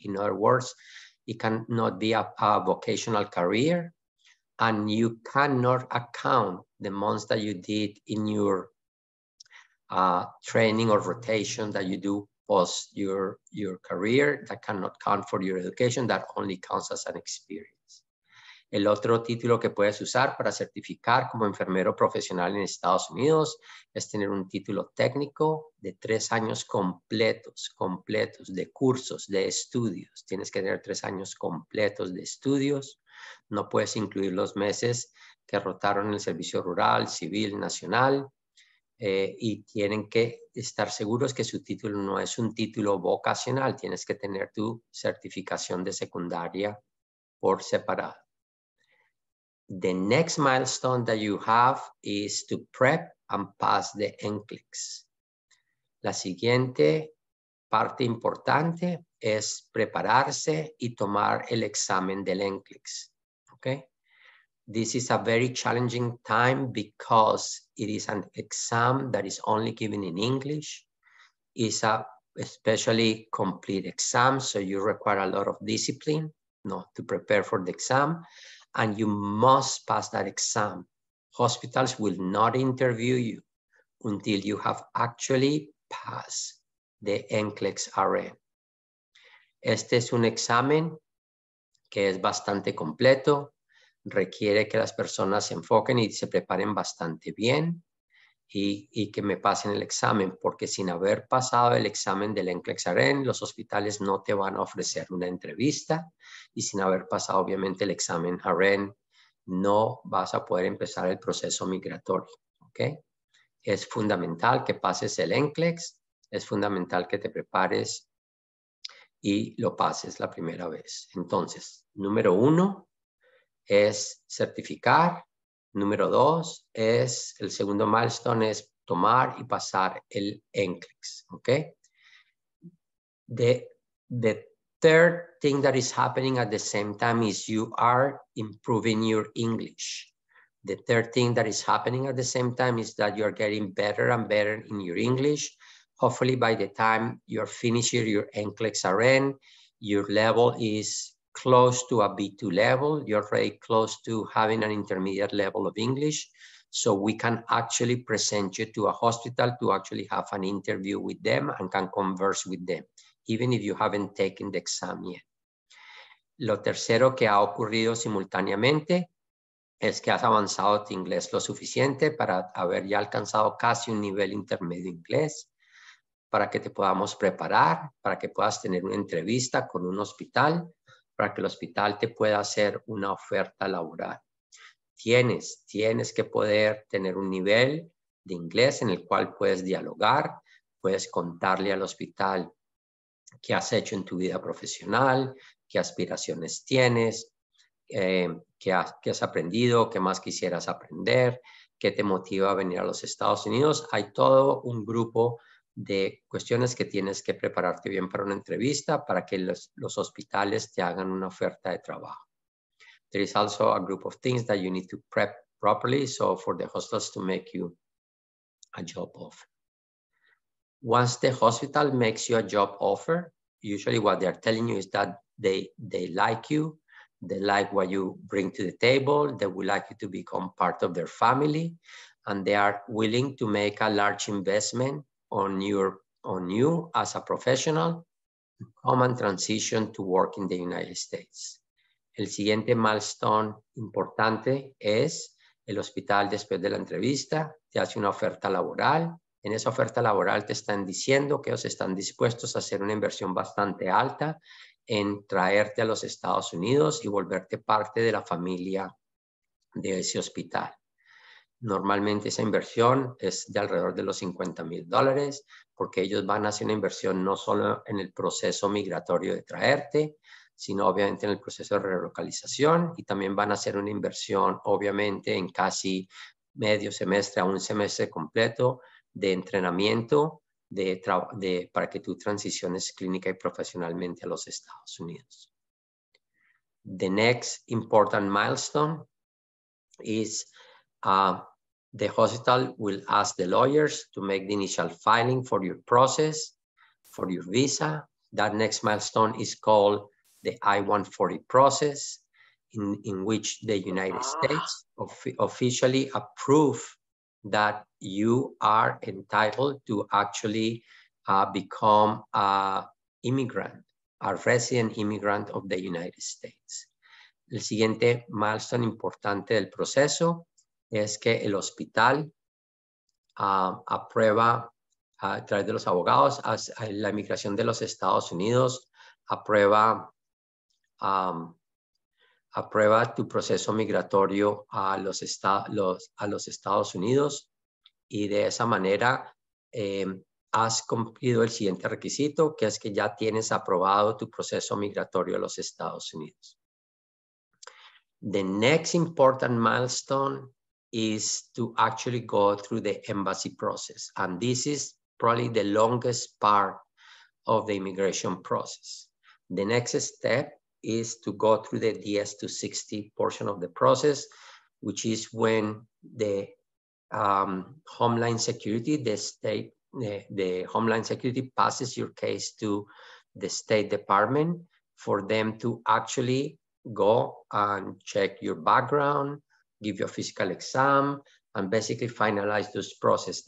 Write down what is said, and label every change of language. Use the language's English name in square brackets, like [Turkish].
[English] In other words, it cannot be a vocational career, and you cannot account the months that you did in your training or rotation that you do post your career. That cannot count for your education. That only counts as an experience. [Spanish] El otro título que puedes usar para certificar como enfermero profesional en Estados Unidos es tener un título técnico de 3 años completos de cursos, de estudios. Tienes que tener 3 años completos de estudios. No puedes incluir los meses que rotaron en el servicio rural, civil, nacional. Y tienen que estar seguros que su título no es un título vocacional. Tienes que tener tu certificación de secundaria por separado. [English] The next milestone that you have is to prep and pass the NCLEX. [Spanish] La siguiente parte importante es prepararse y tomar el examen del NCLEX. [English] Okay? This is a very challenging time because it is an exam that is only given in English. It's a especially complete exam, so you require a lot of discipline, no, to prepare for the exam. And you must pass that exam. Hospitals will not interview you until you have actually passed the NCLEX-RN. [Spanish] Este es un examen que es bastante completo. Requiere que las personas se enfoquen y se preparen bastante bien y que me pasen el examen, porque sin haber pasado el examen del NCLEX-RN, los hospitales no te van a ofrecer una entrevista, y sin haber pasado obviamente el examen RN, no vas a poder empezar el proceso migratorio, ¿okay? Es fundamental que pases el NCLEX, es fundamental que te prepares y lo pases la primera vez. Entonces, número uno es certificar. Número dos es, el segundo milestone es tomar y pasar el NCLEX, ¿ok? [English] The third thing that is happening at the same time is you are improving your English. The third thing that is happening at the same time is that you are getting better and better in your English. Hopefully by the time you are finishing your NCLEX-RN, your level is close to a B2 level. You're very close to having an intermediate level of English, so we can actually present you to a hospital to actually have an interview with them and can converse with them, even if you haven't taken the exam yet. [Spanish] Lo tercero que ha ocurrido simultáneamente es que has avanzado tu inglés lo suficiente para haber ya alcanzado casi un nivel intermedio inglés, para que te podamos preparar, para que puedas tener una entrevista con un hospital, para que el hospital te pueda hacer una oferta laboral. Tienes que poder tener un nivel de inglés en el cual puedes dialogar, puedes contarle al hospital qué has hecho en tu vida profesional, qué aspiraciones tienes, qué has aprendido, qué más quisieras aprender, qué te motiva a venir a los Estados Unidos. Hay todo un grupo de cuestiones que tienes que prepararte bien para una entrevista para que los hospitales te hagan una oferta de trabajo. [English] There is also a group of things that you need to prep properly so for the hospitals to make you a job offer. Once the hospital makes you a job offer, usually what they are telling you is that they like you, they like what you bring to the table, they would like you to become part of their family, and they are willing to make a large investment on you as a professional, come and transition to work in the United States. [Spanish] El siguiente milestone importante es el hospital, después de la entrevista, te hace una oferta laboral. En esa oferta laboral te están diciendo que ellos están dispuestos a hacer una inversión bastante alta en traerte a los Estados Unidos y volverte parte de la familia de ese hospital. Normalmente esa inversión es de alrededor de los $50,000, porque ellos van a hacer una inversión no solo en el proceso migratorio de traerte, sino obviamente en el proceso de relocalización, y también van a hacer una inversión obviamente en casi medio semestre a un semestre completo de entrenamiento para que tú transiciones clínica y profesionalmente a los Estados Unidos. [English] The next important milestone is the hospital will ask the lawyers to make the initial filing for your process, for your visa. That next milestone is called the I-140 process, in which the United States officially approve that you are entitled to actually become a immigrant, a resident immigrant of the United States. [Spanish] El siguiente milestone importante del proceso es que el hospital aprueba a través de los abogados la inmigración de los Estados Unidos, aprueba tu proceso migratorio a los Estados Unidos, y de esa manera has cumplido el siguiente requisito, que es que ya tienes aprobado tu proceso migratorio a los Estados Unidos. [English] The next important milestone is to actually go through the embassy process. And this is probably the longest part of the immigration process. The next step is to go through the DS 260 portion of the process, which is when the Homeland Security, the Homeland Security passes your case to the State Department for them to actually go and check your background, give you a physical exam, and basically finalize this process.